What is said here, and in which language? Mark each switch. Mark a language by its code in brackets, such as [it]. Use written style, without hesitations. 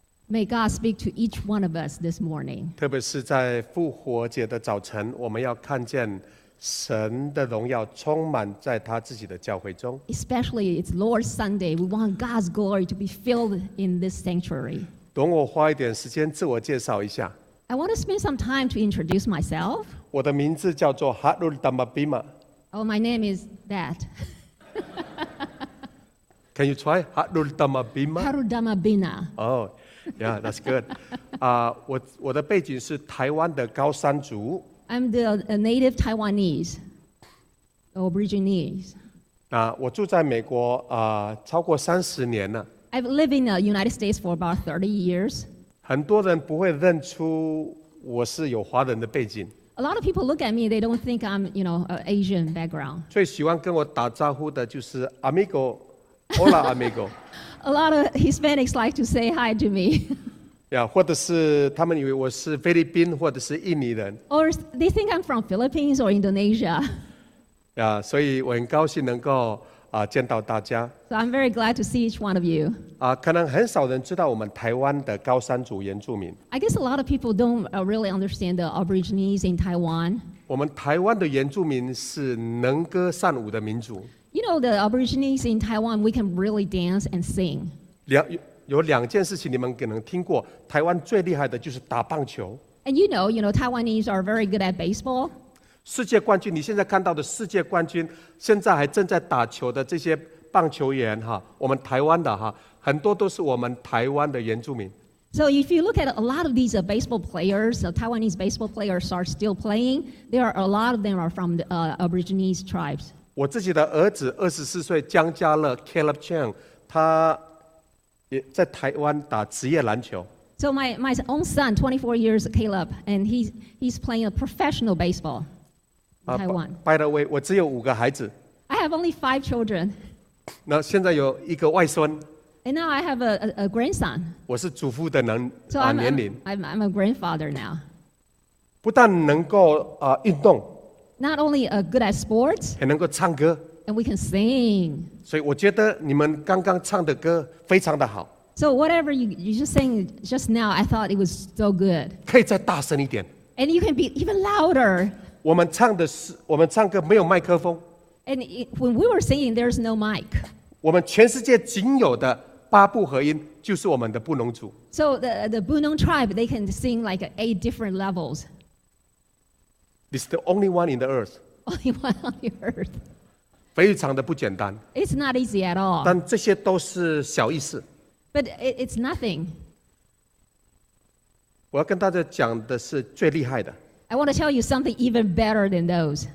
[en] May God speak to each one of us this morning. [zh] 特别是在复活节的早晨，我们要看见神的荣耀充满在他自己的教会中。 [en] Especially it's Lord's Sunday, we want God's glory to be filled in this sanctuary. [zh] 容我花一点时间自我介绍一下。 [en] I want to spend some time to introduce myself. [zh] 我的名字叫做 Harold Dambabima. [en] Oh, my name is that. Can you try Harold Dambabima? Harold Dambabima. Oh. Yeah, that's good. [zh] 我的背景是台湾的高山族。 [en] I'm the native Taiwanese, Aborigines. [zh] 我住在美国超过三十年了。 [en] I've lived in the United States for about 30 years. [zh] 很多人不会认出我是有华人的背景。 [en] A lot of people look at me, they don't think I'm, you know, an Asian background. [zh] 最喜欢跟我打招呼的就是 [es] amigo, hola amigo. [en] A lot of Hispanics like to say hi to me. [zh] Yeah, 或者是他们以为我是菲律宾或者是印尼人。 [en] Or they think I'm from Philippines or Indonesia. [zh] Yeah, 所以我很高兴能够见到大家。 [en] So I'm very glad to see each one of you. [zh] 可能很少人知道我们台湾的高山族原住民。 [en] I guess a lot of people don't really understand the Aborigines in Taiwan. [zh] 我们台湾的原住民是能歌善舞的民族。 [en] You know, the Aborigines in Taiwan, we can really dance and sing. [zh] 有两件事情你们可能听过，台湾最厉害的就是打棒球。 [en] And you know, Taiwanese are very good at baseball. [zh] 世界冠军，你现在看到的世界冠军，现在还正在打球的这些棒球员，我们台湾的，很多都是我们台湾的原住民。 [en] So if you look at a lot of these baseball players, Taiwanese baseball players are still playing. There are a lot of them are from the Aborigines tribes. [zh] 我自己的儿子24岁江家乐 Caleb Chang 他也在台湾打职业篮球。 [en] So my own son, 24 years Caleb, and he's playing a professional baseball in Taiwan. By the way, [zh] 我只有五个孩子。 [en] I have only 5 children. [zh] 那现在有一个外孙。 [en] And now I have a grandson. [zh] 我是祖父的年龄。 [en] So I'm a grandfather now. [zh] 不但能够运动。 [en] Not only good at sports, [zh] 还能够唱歌 [en] and we can sing. [zh] 所以我觉得你们刚刚唱的歌非常的好。 [en] So whatever you just sang just now, I thought it was so good. [zh] 可以再大声一点。 [en] And you can be even louder. [zh] 我们唱歌没有麦克风。 [en] And when we were singing, there's no mic. [zh] 我们全世界仅有的八部合音就是我们的布农族。 [en] So the Bunong tribe, they can sing like 8 different levels. It's the only one in the earth. Only one on the earth. [zh] 非常的不简单。 [en] It's not easy at all. [zh] 但这些都是小意思。 [en] But it's nothing. [zh] 我要跟大家讲的是最厉害的。 [en] I want to tell you something even better than those.